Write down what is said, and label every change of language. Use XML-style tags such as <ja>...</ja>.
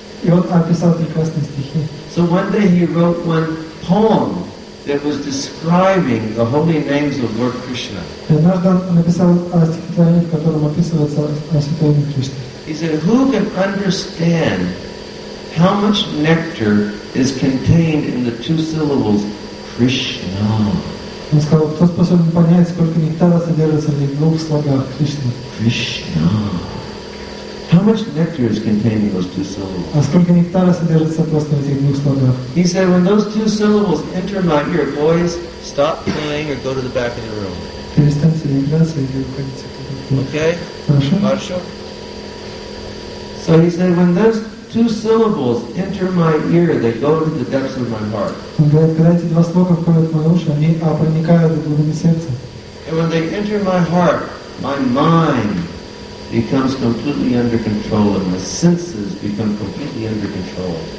<en>So one day he wrote one poem that was describing the holy names of Lord Krishna. He said, who can understand how much nectar is contained in the two syllables Krishna?</en> <ru>Он сказал, кто способен понять, сколько нектара содержится в двух слогах Кришна? Кришна.</ru> <en>How much nectar is contained in those two syllables?</en> <ru>А сколько нектара содержится просто в этих двух слогах?</ru> <en>He said, when those two syllables enter my ear, boys, stop playing or go to the back of the room.</en> <ru>Перестаньте играться или уходите.</ru> <en>Okay.</en> <ru>Хорошо. Хорошо.</ru> <en>So he said, when those two syllables enter my ear, they go to the depths of my heart. And when they enter my heart, my mind becomes completely under control and my senses become completely under control.</en>